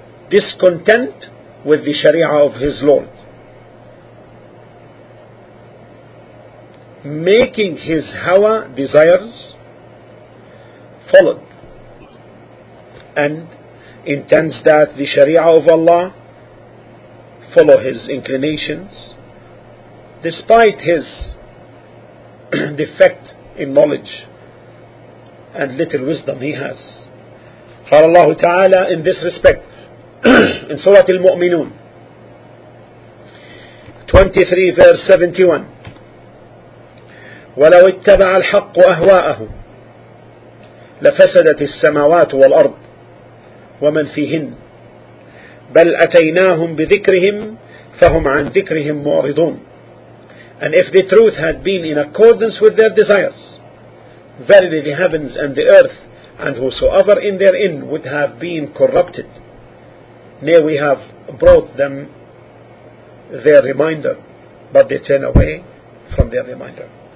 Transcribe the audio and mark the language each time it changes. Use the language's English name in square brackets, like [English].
[English] Discontent with the Sharia of his Lord, making his hawa desires followed, and intends that the Sharia of Allah follow his inclinations, despite his defect in knowledge and little wisdom he has. [Arabic] قال الله تعالى [English] in this respect in Surah Al-Mu'minun 23:71, [Arabic] ولو اتبع الحق أهواءهم لفسدت السماوات والأرض ومن فيهن بل أتيناهم بذكرهم فهم عن ذكرهم معرضون. [English] And if the truth had been in accordance with their desires, verily the heavens and the earth and whosoever in therein would have been corrupted. Nay, we have brought them their reminder, but they turn away from their reminder.